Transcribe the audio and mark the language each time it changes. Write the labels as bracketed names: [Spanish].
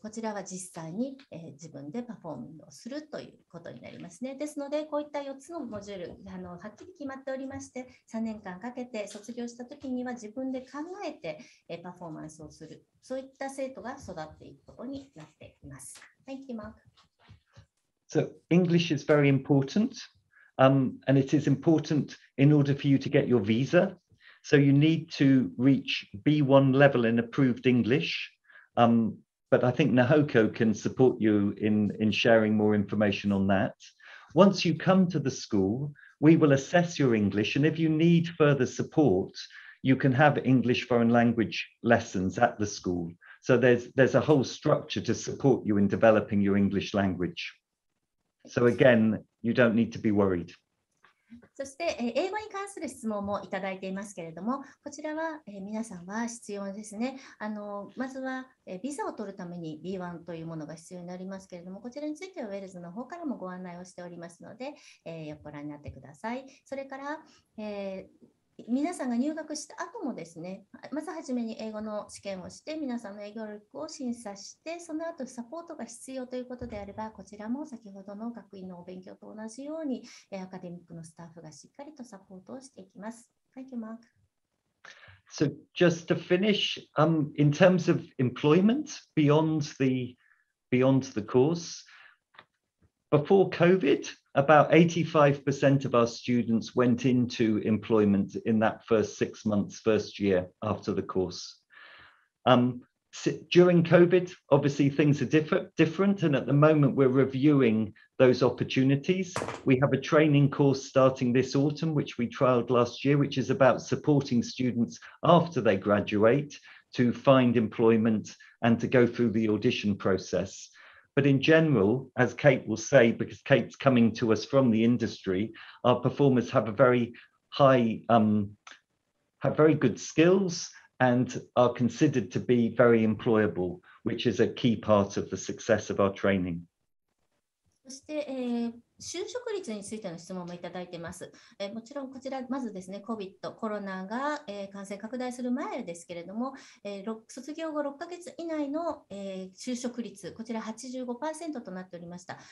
[Japanese] こちらは実際に、自分でパフォーマンスをするということになりますね。ですので、こういった4つのモジュール、はっきり決まっておりまして、3年間かけて卒業したときには自分で考えて、パフォーマンスをする。そういった生徒が育っていくことになっています。 [English] Thank you, Mark. So English is very important, and it is important in order for you to get your visa. So you need to reach B1 level in approved English. But I think Nahoko can support you in sharing more information on that. Once you come to the school, we will assess your English. And if you need further support, you can have English foreign language lessons at the school. So there's a whole structure to support you in developing your English language. So again, you don't need to be worried. [Japanese] そして英語に関する質問もいただいていますけれども、こちらは皆さんは必要ですね。まずはビザを取るために B1 というものが必要になりますけれども、こちらについてはウェルズの方からもご案内をしておりますので、よくご覧になってください。それから、皆さんが入学した後もですね、まずはじめに英語の試験をして、皆さんの英語力を審査して、その後サポートが必要ということであれば、こちらも先ほどの学院のお勉強と同じように、アカデミックのスタッフがしっかりとサポートをしていきます。 [English] Thank you, Mark. So just to finish, in terms of employment beyond the course, before COVID,About 85% of our students went into employment in that first 6 months, first year after the course. During COVID, obviously things are different, and at the moment we're reviewing those opportunities. We have a training course starting this autumn, which we trialled last year, which is about supporting students after they graduate to find employment and to go through the audition process. But in general, as Kate will say, because Kate's coming to us from the industry, our performers have a very high, have very good skills and are considered to be very employable, which is a key part of the success of our training. [Japanese] そして、就職率についての質問もいただいています。もちろんこちら、まずですね、COVID、コロナが、感染拡大する前ですけれども、卒業後6ヶ月以内の、就職率、こちら 85% となっておりました。